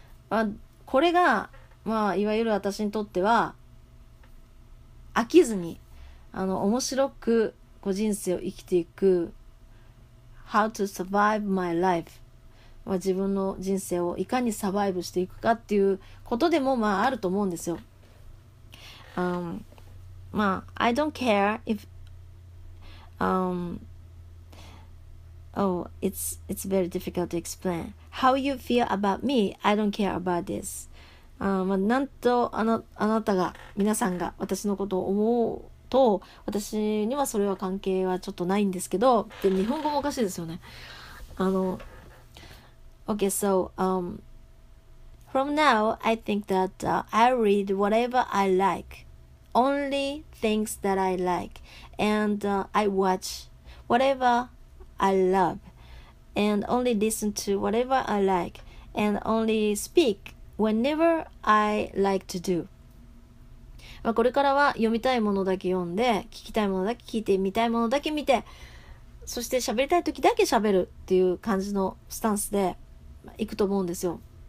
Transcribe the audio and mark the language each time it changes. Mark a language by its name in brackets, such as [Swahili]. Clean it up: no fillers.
[Japanese] まあ、これが、まあ、いわゆる私にとっては飽きずに面白く人生を生きていく、 [English] How to survive my life、 [Japanese] まあ、自分の人生をいかにサバイブしていくかっていうことでもまああると思うんですよ。 [English] まあ I don't care if it's very difficult to explain how you feel about me. I don't care about this. [Japanese] まあ、なんとあなたが皆さんが私のことを思うと、私にはそれは関係はちょっとないんですけど、で日本語もおかしいですよね。 [English] Okay, so from now I think that I read whatever I like, only things that I like, and I watch whatever I love, and only listen to whatever I like, and only speak whenever I like to do. [Japanese] まあ、これからは読みたいものだけ読んで、聞きたいものだけ聞いて、見たいものだけ見て、そして喋りたい時だけ喋るっていう感じのスタンスで行くと思うんですよ。